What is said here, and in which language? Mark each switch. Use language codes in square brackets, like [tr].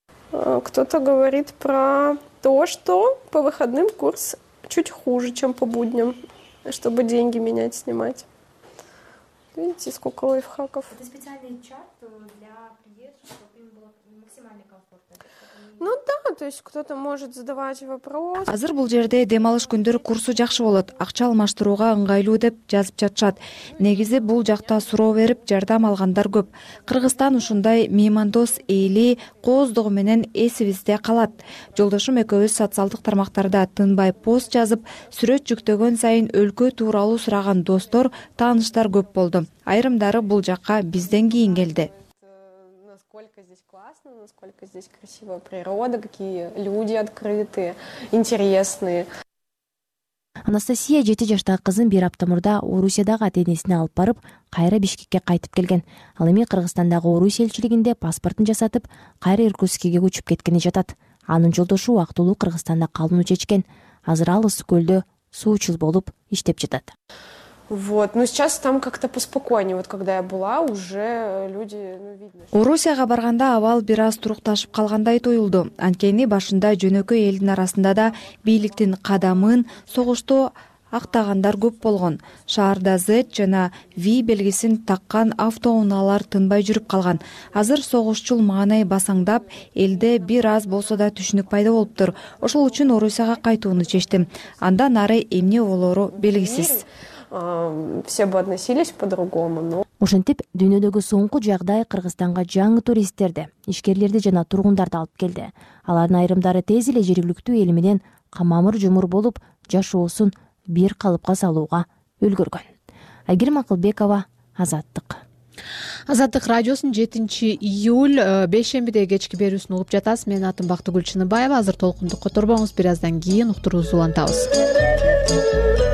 [ru] Кто-то говорит про то, что по выходным курс чуть хуже, чем по будням, чтобы деньги менять, снимать. Видите, сколько лайфхаков. Это специальный чат для приезжих, чтобы им было максимально комфортно. Ну да, то есть кто-то может задавать вопрос. [ky] Азыр бул жерде демалыш күндөрү курсу жакшы болот. Акча алмаштырууга ыңгайлуу деп жазып жатышат. Негизи бул жакта суроо берип жардам алгандар көп. Кыргызстан ушундай меймандос эли кооздугу менен эсибизде калат. Жолдошум экөөбүз социалдык тармактарда тынбай пост жазып, сүрөт жүктөгөн сайын өлкө тууралуу сураган достор, тааныштар көп болду. Айрымдары бул жакка бизден кийин келди. [ru] Насколько здесь классно, насколько здесь красивая природа, какие люди открытые, интересные. [ky] Анастасия 7 жаштагы кызын бир апта мурда Орусиядагы ата-энесине алып барып, кайра Бишкекке кайтып келген. Ал эми Кыргызстандагы Орус элчилигинде паспортун жасатып, кайра Иркутскиге көчүп кеткени жатат. Анын жолдошу убактылуу Кыргызстанда калууну чечкен. Азыр ал Ысык Көлдө суучул болуп иштеп жатат. [ru] Вот, но сейчас там как-то поспокойнее. Вот когда я была, уже люди, ну, видно. [ky] Орусияга барганда абал бир аз турукташып калгандай тоюлду. Анткени башында жөнөкөй элдин арасында да бийликтин кадамын, согушту актагандар көп болгон. Шаарда Z жана V белгисин таккан автоунаалар тынбай жүрүп калган. Азыр согушчул маанай басаңдап, элде бир аз болсо да түшүнүк пайда болуптур. Ошол үчүн Орусияга кайтууну чечтим. Андан ары эмне болору белгисиз. [ru] Все бы относились по-другому, но... [ky] Ошентип, дүйнөдөгү соңку жагдай Кыргызстанга жаңы туристтерди, ишкерлерди жана тургундарды алып келди. Алардын айрымдары тез эле жергиликтүү эл менен камамыр жумур болуп, жашоосун бир калыпка салууга үлгүргөн. Айгерим Акылбекова, Азаттык. Азаттык радиосун 7-июль бешембиде кечки берүүсүн угуп жатасыз. Менин атым Бактыгүл Чыныбаева. Азыр толкундук которбоңуз, бир аздан кийин уктуруубузду улантабыз.